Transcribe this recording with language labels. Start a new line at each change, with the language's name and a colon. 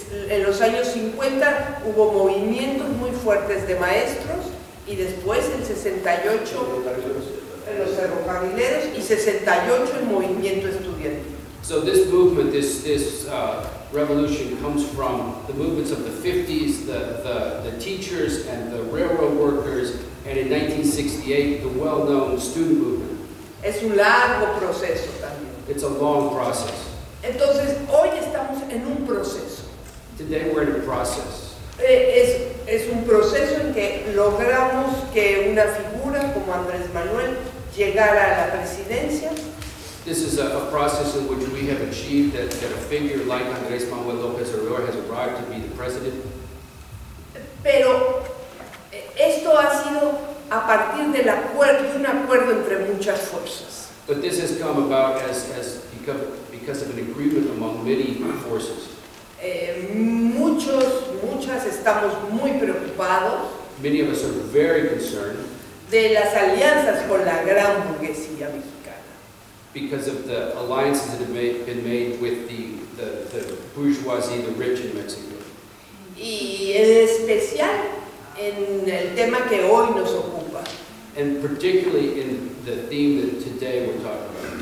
Spanish: En los años 50 hubo movimientos muy fuertes de maestros. Y después en 68 en los ferrocarrileros y 68 el movimiento estudiantil.
English: So this movement, this revolution comes from the movements of the 50s, the teachers and the railroad workers, and in 1968 the well-known student movement.
Spanish: Es un largo proceso también.
English: It's a long process.
Spanish: Entonces hoy estamos en un proceso.
English: Today we're in a process.
Spanish: Es un proceso en que logramos que una figura como Andrés Manuel llegara a la presidencia.
English: This is a process in which we have achieved that a figure like Andrés Manuel López Obrador has arrived to be the president.
Spanish: Pero esto ha sido a partir del acuerdo, de un acuerdo entre muchas fuerzas.
English: But this has come about as because of an agreement among many forces.
Spanish: Muchas estamos muy preocupados.
English: Many of us are very concerned.
Spanish: De las alianzas con la gran burguesía mexicana.
English: Because of the alliances that have been made with the bourgeoisie, the rich in Mexico.
Spanish: Y en especial en el tema que hoy nos ocupa.
English: And particularly in the theme that today we're talking about.